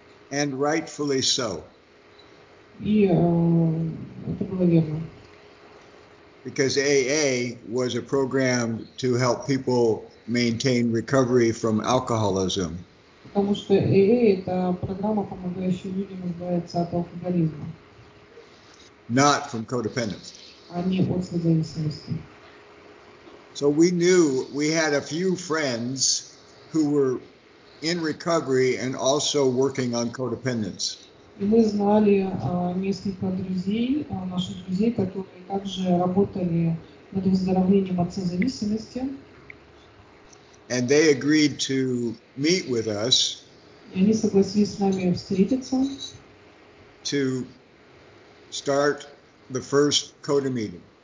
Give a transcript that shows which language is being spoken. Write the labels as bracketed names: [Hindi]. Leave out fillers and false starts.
[English] And rightfully so. Because AA was a program to help people maintain recovery from alcoholism. [Russian] Потому что AA – это программа, помогающая людям избавиться от алкоголизма. [English] Not from codependence. [Russian] А не от созависимости. [English] So we knew we had a few friends who were in recovery and also working on codependence. [Russian] И мы знали несколько друзей, наших друзей, которые также работали над выздоровлением от созависимости. [English] And they agreed to meet with us to start the first CODA meeting.